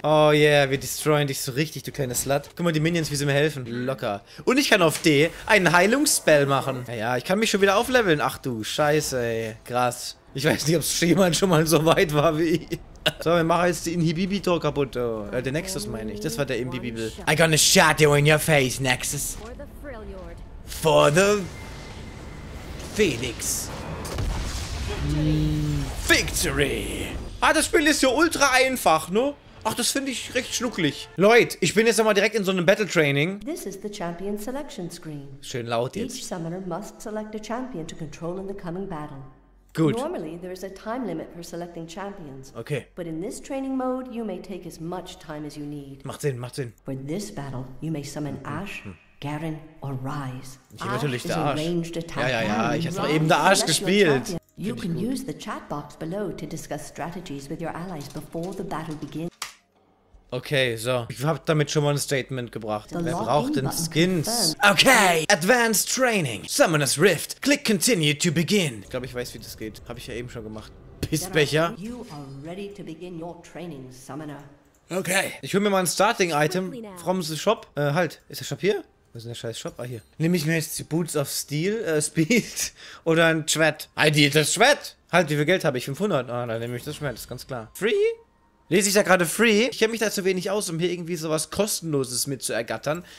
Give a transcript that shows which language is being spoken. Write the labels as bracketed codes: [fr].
[de] Oh yeah, wir destroyen dich so richtig, du kleine Slut. Guck mal, die Minions, wie sie mir helfen. Locker. Und ich kann auf D einen Heilungsspell machen. Naja, ich kann mich schon wieder aufleveln. Ach du Scheiße, ey. Krass. Ich weiß nicht, ob es jemand schon mal so weit war wie ich. So, wir machen jetzt die Inhibibitor kaputt. Oh. Der Nexus meine ich. Das war der Imbibibel. [en] I gonna shot you in your face, Nexus. For the Phoenix. Victory. [de] Ah, das Spiel ist ja ultra einfach, ne? Ach, das finde ich recht schnuckelig. Leute, ich bin jetzt nochmal direkt in so einem Battle Training. [en] This is the champion selection screen. [de] Schön laut jetzt. [en] Each summoner must select a champion to control in the coming battle. Normally there is a time limit for selecting champions. Okay. But in this training mode you may take as much time as you need. [de] Macht Sinn, macht Sinn. [en] For this battle you may summon Ashe, Garen or Ryze. [de] Ich habe natürlich den Arsch. Ja, ich habe eben den Arsch gespielt. [en] You can use the chat box below to discuss strategies with your allies before the battle begins. Okay, so. [de] Ich habe damit schon mal ein Statement gebracht. Wer braucht denn Skins? [en] Okay, Advanced Training. Summoner's Rift. Click Continue to begin. [de] Ich glaube, ich weiß, wie das geht. Habe ich ja eben schon gemacht. Pissbecher. [en] You are ready to begin your training, Summoner. Okay. [de] Ich hole mir mal ein Starting-Item [en] from the Shop. [de] Halt. Ist der Shop hier? Was ist denn der scheiß Shop? Ah, hier. Nehme ich mir jetzt die Boots of Steel, Speed oder ein Schwert? [en] I did [de] das Schwert. Halt, wie viel Geld habe ich? 500? Ah, dann nehme ich das Schwert. Ist ganz klar. Free? Lese ich da gerade free? Ich kenne mich da zu wenig aus, um hier irgendwie sowas Kostenloses mit zu ergattern.